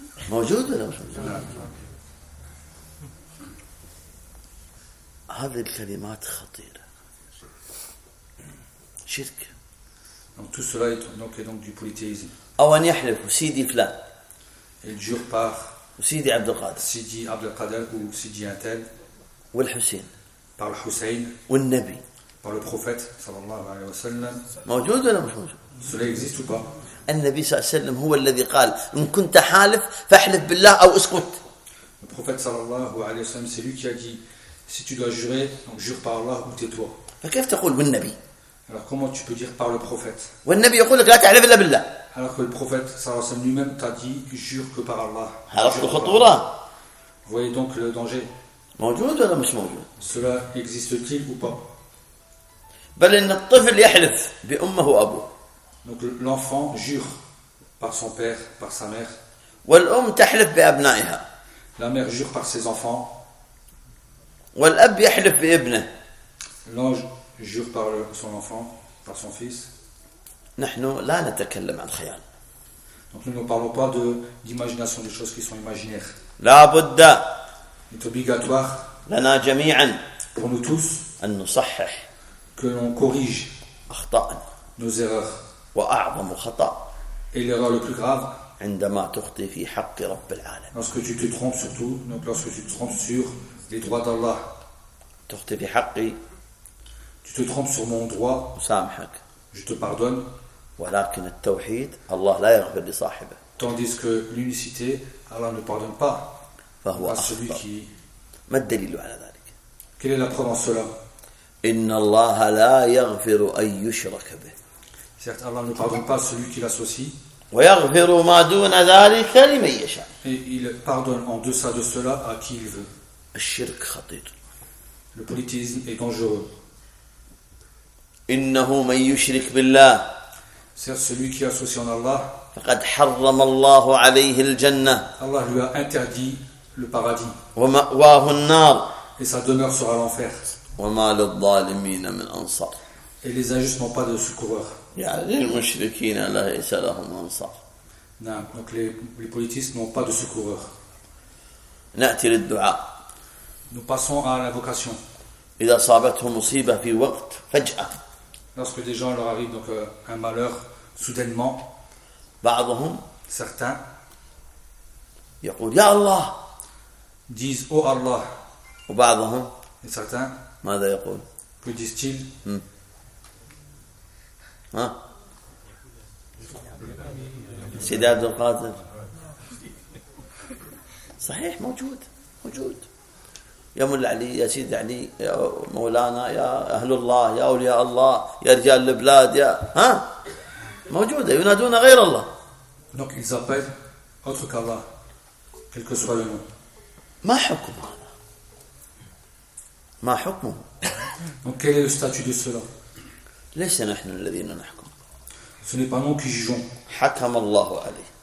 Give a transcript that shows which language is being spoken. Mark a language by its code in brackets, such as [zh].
[ar] موجود ولا مش موجود؟ هذه الكلمات خطيرة. شرك. [fr] Donc tout cela est donc, et donc du polythéisme. [ar] أو أن يحلف سيدي فلان. [fr] Il jure par. [ar] سيدي عبد القادر. [fr] سيدي عبد القادر ou سيدي أنتل. [ar] والحسين. [fr] Par le Hussein. [ar] والنبي. [fr] Par le prophète sallallahu alayhi wa sallam. [ar] موجود ولا مش موجود؟ [fr] Cela existe ou pas? [ar] النبي صلى الله عليه وسلم هو الذي قال إن كنت حالف فاحلف بالله أو اسكت. [fr] Le prophète sallallahu alayhi wa sallam c'est lui qui a dit si tu dois jurer donc jure par Allah ou tais-toi. [ar] فكيف تقول والنبي؟ [fr] Alors comment tu peux dire par le prophète? [ar] والنبي يقول لك لا تحلف إلا بالله. [fr] Alors que le prophète sallallahu alayhi wa sallam lui-même t'a dit jure que par Allah. [ar] عرفت الخطورة؟ [fr] Voyez donc le danger. [ar] موجود ولا مش موجود؟ [fr] Cela existe-t-il ou pas? [ar] بل إن الطفل يحلف بأمه وأبوه. [fr] Donc l'enfant jure par son père, par sa mère. [ar] والأم تحلف بأبنائها. [fr] La mère jure par ses enfants. [ar] والأب يحلف بابنه. [fr] L'ange jure par son enfant, par son fils. [ar] نحن لا نتكلم عن خيال. [fr] Donc nous ne parlons pas d'imagination des choses qui sont imaginaires. [ar] لا بد. [fr] Est obligatoire. [ar] لنا جميعا. [fr] Pour nous tous. [ar] أن نصحح. [fr] Que l'on corrige [ar] أخطأنا. [fr] Nos erreurs. [ar] وأعظم خطأ. [fr] Et l'erreur le plus grave. [ar] عندما تخطي في حق رب العالم. [fr] Lorsque tu te trompes surtout, donc lorsque tu te trompes sur les droits d'Allah. [ar] تخطي في حقي. [fr] Tu te trompes sur mon droit. [ar] أسامحك. [fr] Je te pardonne. [ar] ولكن التوحيد الله لا يغفر لصاحبه. [fr] Tandis que l'unicité, Allah ne pardonne pas. [ar] فهو [fr] à celui [ar] أخطأ. [fr] Qui. [ar] ما الدليل على ذلك؟ [fr] Quelle est la preuve en cela? [ar] إن الله لا يغفر أن يشرك به. [fr] Certes, Allah ne pardonne pas celui qui l'associe. [ar] ويغفر ما دون ذلك لمن يشاء. [fr] Et il pardonne en deçà de cela à qui il veut. [ar] الشرك خطير. [fr] Le polythéisme est dangereux. [ar] إنه من يشرك بالله. [fr] Certes, celui qui associe en Allah. [ar] فقد حرم الله عليه الجنة. [fr] Allah lui a interdit le paradis. [ar] ومأواه النار. [fr] Et sa demeure sera l'enfer. [ar] وما للظالمين من أنصار. [fr] Et les injustes n'ont pas de secoureurs. [ar] يعني المشركين ليس لهم أنصار. نعم. [fr] Donc les politistes n'ont pas de secoureurs. [ar] نأتي للدعاء. [fr] Nous passons à l'invocation. [ar] إذا صابتهم مصيبة في وقت فجأة. [fr] Lorsque des gens leur arrivent donc un malheur soudainement. [ar] بعضهم. [fr] Certains. [ar] يقول يا الله. [fr] Disent oh Allah. [ar] وبعضهم. [fr] Et certains. [ar] ماذا يقول؟ [fr] Que disent-ils؟ ها؟ [ar] سيدي عبد القادر صحيح موجود يا مولى علي يا سيد علي يا مولانا يا أهل الله يا أولياء الله يا رجال البلاد يا ها موجودة ينادون غير الله [fr] donc ils appellent autre qu'Allah quel que soit le nom [ar] ما حكم هذا ما حكمه [fr] donc quel est le statut de cela [ar] ليش نحن الذين نحكم [fr] ce n'est pas nous qui jugeons [ar] حكم الله عليه